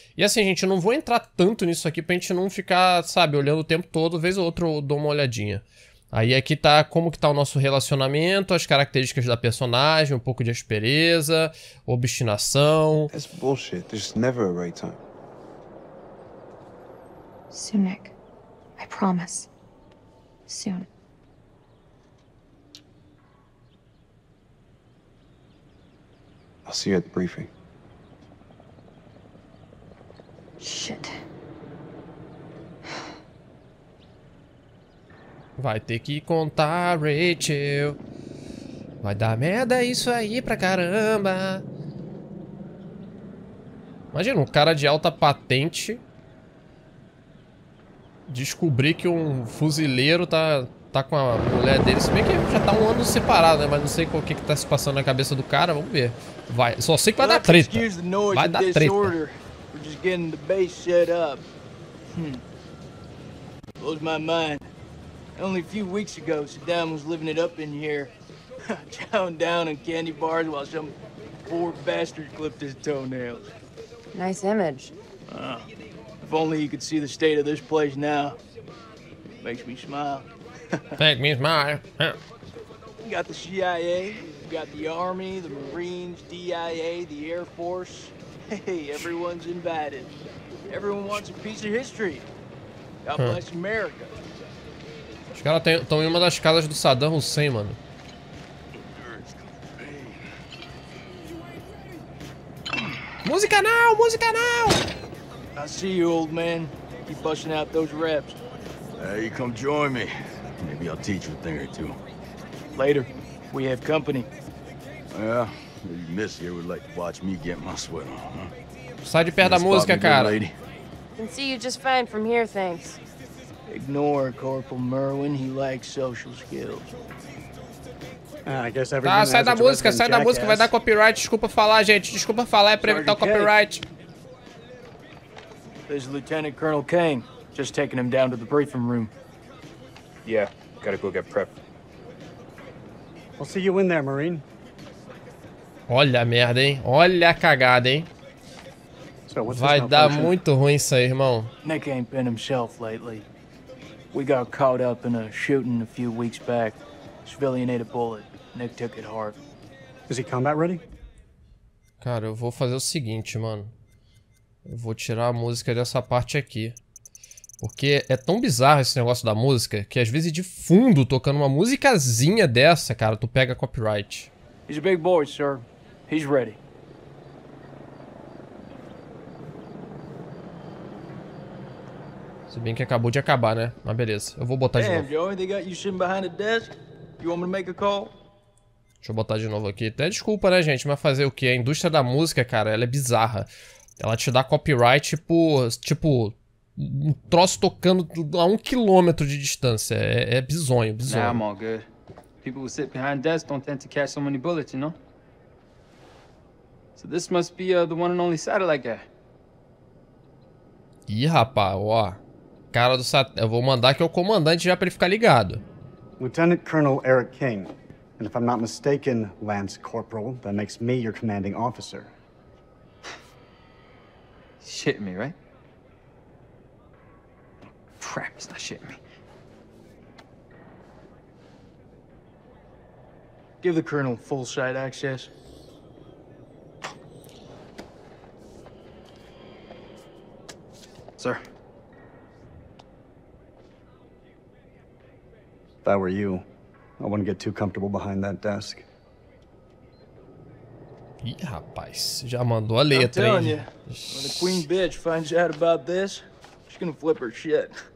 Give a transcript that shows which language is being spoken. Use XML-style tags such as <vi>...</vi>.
<pt>E assim, gente, eu não vou entrar tanto nisso aqui pra gente não ficar, sabe, olhando o tempo todo, vez ou outra eu dou uma olhadinha. Aí aqui tá como que tá o nosso relacionamento, as características da personagem, um pouco de aspereza, obstinação.</pt> <en>That's bullshit. There's never a right time. Soon, Nick. I promise. Soon. I'll see you at the briefing. Shit.</en> <pt>Vai ter que contar, Rachel. Vai dar merda isso aí pra caramba. Imagina um cara de alta patente descobrir que um fuzileiro tá com a mulher dele, se bem que já tá um ano separado, né? Mas não sei o que tá se passando na cabeça do cara, vamos ver. Vai, só sei que vai dar treta. Vai dar treta.</pt> <en>We're just getting the base set up. Blows my mind. Only a few weeks ago, Saddam was living it up in here. Chowing down on candy bars while some poor bastard clipped his toenails. Nice image. If only you could see the state of this place now. Makes me smile. Thank me, smile. We got the CIA, we got the Army, the Marines, DIA, the Air Force. Hey, everyone's invited. Everyone wants a piece of history. God bless America.</en> <pt>Os caras estão em uma das casas do Saddam Hussein, mano. Música não! Música não!</pt> <en>I see you, old man. Keep busting out those reps. Hey, you come join me. Maybe I'll teach you a thing or two. Later. We have company. Yeah, if you miss here, we'd like to watch me get my sweat on, huh?</en> <pt>Sai de perto da música, cara. I</pt> <en>can see you just fine from here, thanks. Ignore Corporal Merwin, he likes social skills. I guess everyone</en> <pt>sai da música, sai da música, vai dar copyright. Desculpa falar, gente. Desculpa falar, é pra evitar o copyright.</pt> <en>There's Lieutenant Colonel Kane. Just taking him down to the briefing room. Yeah, gotta go get prepped. I'll see you in there, Marine.</en> <pt>Olha a merda, hein? Olha a cagada, hein?</pt> <en>So what's</en> <pt>vai dar muito ruim isso aí, irmão.</pt> <en>Nick ain't been himself lately. We got caught up in a shooting a few weeks back. Civilian ate a bullet. Nick took it hard. Is he combat ready?</en> <pt>Cara, eu vou fazer o seguinte, mano. Eu vou tirar a música dessa parte aqui. Porque é tão bizarro esse negócio da música que às vezes de fundo tocando uma musicazinha dessa, cara, tu pega copyright.</pt> <en>He's a big boy, sir. He's ready.</en> <pt>Se bem que acabou de acabar, né? Mas beleza. Eu vou botar</pt> <en>damn,</en> <pt>de novo.</pt> <en>Joey, they got you sitting behind a desk. You want me to make a call?</en> <pt>Deixa eu botar de novo aqui. Até desculpa, né, gente? Mas fazer o quê? A indústria da música, cara, ela é bizarra. Ela te dá copyright por, tipo, um troço tocando a 1 quilômetro de distância. É bizonho, bizonho.</pt> <en>Nah, I'm all good. People who sit behind desks don't tend to catch so many bullets, you know? So this must be the one and only satellite guy.</en> <pt>Ih, rapaz, ó. Cara do satélite. Eu vou mandar que é o comandante já pra ele ficar ligado.</pt> <en>Lieutenant Colonel Eric King. And if I'm not mistaken, Lance Corporal, that makes me your commanding officer. He's shitting me, right? Crap, he's not shitting me. Give the Colonel full sight access. Sir. If I were you, I wouldn't get too comfortable behind that desk.</en> <pt>Ih, rapaz, já mandou a letra, hein?</pt> <en>I'm telling you, when the queen bitch finds out about this, she's gonna flip her shit.</en>